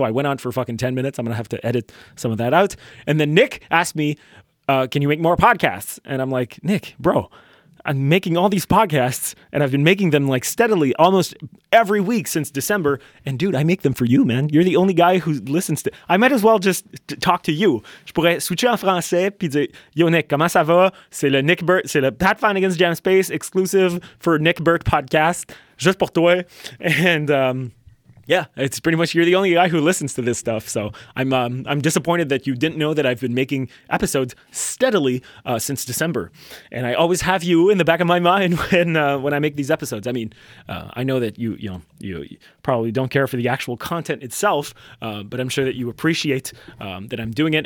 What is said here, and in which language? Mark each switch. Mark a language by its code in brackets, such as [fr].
[en] So I went on for fucking 10 minutes. I'm going to have to edit some of that out. And then Nick asked me, can you make more podcasts? And I'm like, Nick, bro, I'm making all these podcasts, and I've been making them like steadily almost every week since December. And dude, I make them for you, man. You're the only guy who listens to. I might as well just talk to you. [fr] Je pourrais switcher en français puis dire, yo Nick, comment ça va? C'est le Nick Burt, c'est le Pat Flanagan's Jam Space [en] exclusive for Nick Burt podcast, [fr] juste pour toi. [en] And yeah, it's pretty much you're the only guy who listens to this stuff. So I'm disappointed that you didn't know that I've been making episodes steadily since December. And I always have you in the back of my mind when I make these episodes. I mean, I know that you probably don't care for the actual content itself, but I'm sure that you appreciate that I'm doing it.